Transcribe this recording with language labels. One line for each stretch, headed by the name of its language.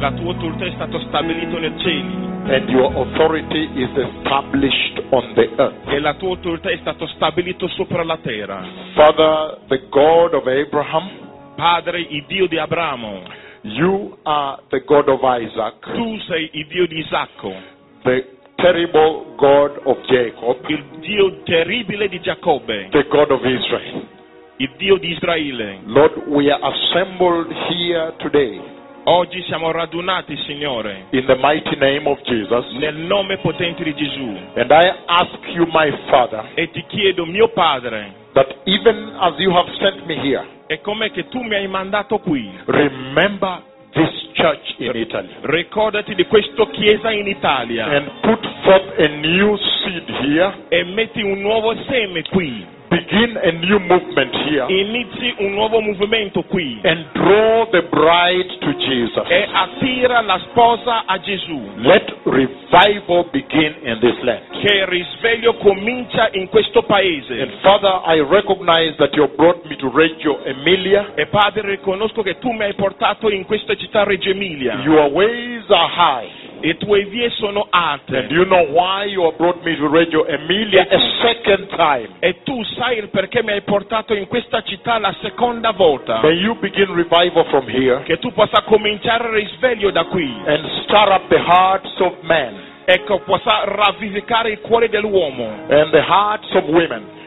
Italian: La tua autorità è stato stabilito nei cieli.
English: And your authority is established on the earth.
Italian: E la tua autorità è stato stabilito sopra la terra.
English: Father, the God of Abraham.
Italian: Padre, il Dio di Abramo.
English: You are the God of Isaac.
Italian: Tu sei il Dio di Isacco.
English: The terrible God of Jacob.
Italian: Il Dio terribile di Giacobbe.
English: The God of Israel.
Italian: Il Dio di Israele.
English: Lord, we are assembled here today.
Italian: Oggi siamo radunati, Signore.
English: In the mighty name of Jesus.
Italian: Nel nome potente di Gesù.
English: And I ask you, my Father.
Italian: E ti chiedo, mio Padre.
English: That even as you have sent me here.
Italian: E come che tu mi hai mandato qui.
English: Remember this church in Italy.
Italian: Ricordati di questa chiesa in Italia.
English: And put forth a new seed here.
Italian: E metti un nuovo seme qui.
English: Begin a new movement here.
Italian: Inizi un nuovo movimento qui.
English: And draw the bride to Jesus.
Italian: E attira la sposa a Gesù.
English: Let revival begin in this land.
Italian: Che risveglio comincia in questo paese.
English: And Father, I recognize that you brought me to Reggio Emilia.
Italian: E Padre, riconosco che tu mi hai portato in questa città Reggio Emilia.
English: Your ways are high.
Italian: E tue vie sono alte.
English: And you know why you have brought me to Reggio Emilia a second time.
Italian: E tu sai il perché mi hai portato in questa città la seconda volta.
English: May you begin revival from here.
Italian: Che tu possa cominciare il risveglio da qui.
English: And stir up the hearts of men.
Italian: Ecco, possa ravvivicare il cuore dell'uomo.
English: And the hearts of women.